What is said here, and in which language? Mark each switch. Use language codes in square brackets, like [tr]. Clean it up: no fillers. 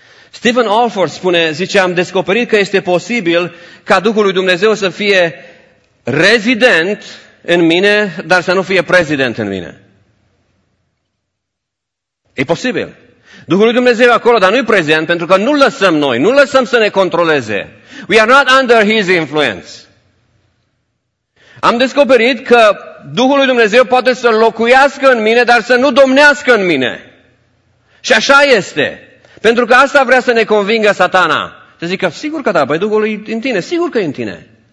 [ro] Stephen Alford spune, zice, am descoperit că este posibil ca Duhul lui Dumnezeu să fie rezident în mine, dar să nu fie prezident în mine. E posibil. Duhul lui Dumnezeu e acolo, dar nu e prezent, pentru că nu-L lăsăm noi, nu-L lăsăm să ne controleze. [en] We are not under His influence. [ro] Am descoperit că Duhul lui Dumnezeu poate să locuiască în mine, dar să nu domnească în mine. Și așa este. Pentru că asta vrea să ne convingă satana. Să zică, sigur că da, păi Duhul e în tine, sigur că e în tine.